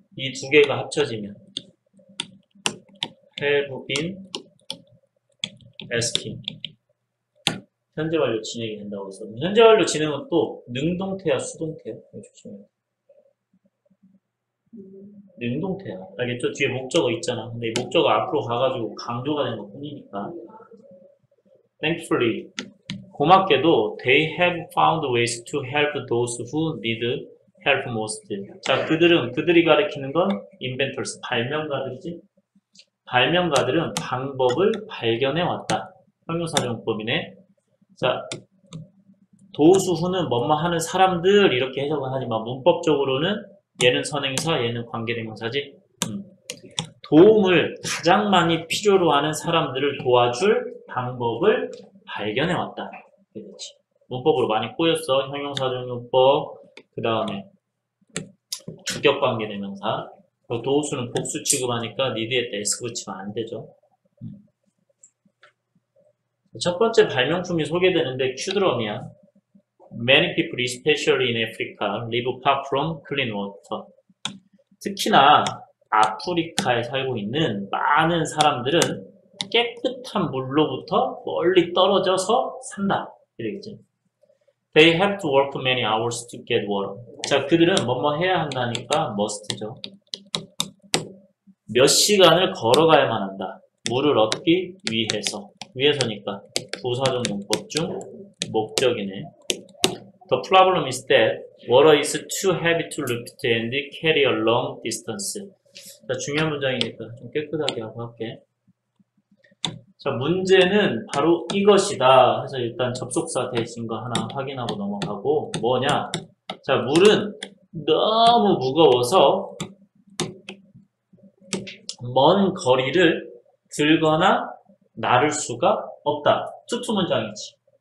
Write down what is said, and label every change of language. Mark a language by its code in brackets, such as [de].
[ko] 이두 개가 합쳐지면 have been asking. 현재 완료 진행이 된다고 했어. 현재 완료 진행은 또 능동태야, 수동태야? 조심해. 능동태야. 알겠죠? 뒤에 목적어 있잖아. 근데 이 목적어 앞으로 가가지고 강조가 된 것뿐이니까. [en] Thankfully, [ko] 고맙게도 [en] they have found ways to help those who need help most. [ko] 자, 그들이 가리키는 건 inventors, 발명가들이지. 발명가들은 방법을 발견해 왔다. 형용사정법이네. 자, 도수 후는 뭐뭐 하는 사람들 이렇게 해석을 하지만 문법적으로는 얘는 선행사, 얘는 관계대명사지. 도움을 가장 많이 필요로 하는 사람들을 도와줄 방법을 발견해 왔다. 그렇지. 문법으로 많이 꼬였어. 형용사정용법, 그 다음에 주격관계대명사. 도우수는 복수 취급하니까 need에다 s 붙이면 안 되죠. 첫 번째 발명품이 소개되는데 큐드럼이야. [en] Many people, especially in Africa, live far from clean water. [ko] 특히나 아프리카에 살고 있는 많은 사람들은 깨끗한 물로부터 멀리 떨어져서 산다. 이렇게 [en] They have to work many hours to get water. [ko] 자, 그들은 뭐뭐 해야 한다니까 must죠. 몇 시간을 걸어가야만 한다. 물을 얻기 위해서. 위해서니까 부사적 문법 중 목적이네. [en] The problem is that water is too heavy to lift and carry a long distance. [ko] 자, 중요한 문장이니까 좀 깨끗하게 하고 할게. 자, 문제는 바로 이것이다. 해서 일단 접속사 대신 거 하나 확인하고 넘어가고, 뭐냐? 자, 물은 너무 무거워서 먼 거리를 들거나 나를 수가 없다. 투투 문장이지.